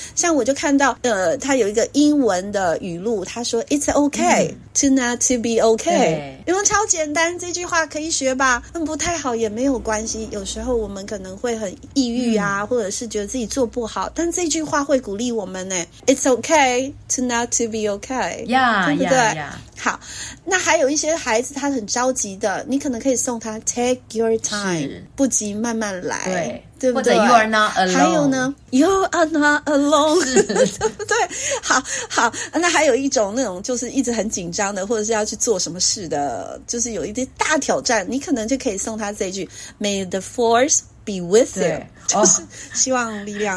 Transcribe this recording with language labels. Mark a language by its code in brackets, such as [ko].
[zh] 像我就看到他有一个英文的语录，他说 [en] It's okay to not to be okay， [zh] 因为超简单，这句话可以学吧，不太好也没有关系。有时候我们可能会很抑郁啊，或者是觉得自己做不好，但这句话会鼓励我们呢。 [en] It's okay to not to be okay， [zh] 呀，对不对？ [en] Yeah, yeah. [zh] 好，那还有一些孩子他很着急的，你可能可以送他 [en] Take your time， [zh] 不急慢慢来。对，对不对？ [en] 或者 You are not alone， [zh] 还有呢 [en] You are not alone， [zh] 对不对？好，那还有一种那种就是一直很紧张的，或者是要去做什么事的，就是有一些大挑战，你可能就可以送他这句 [en] May the force be with you， [zh] 就是希望力量。